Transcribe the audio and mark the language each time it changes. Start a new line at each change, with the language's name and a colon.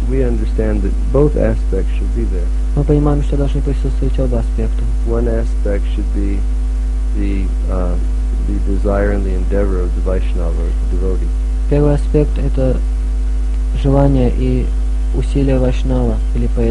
English: We understand that both aspects should be there.
Russian: Мы понимаем, что должны присутствовать оба аспекта.
English: One aspect should be the desire and the endeavor of the Vaishnava, the devotee.
Russian: Первый аспект – это желание и усилия вайшнава или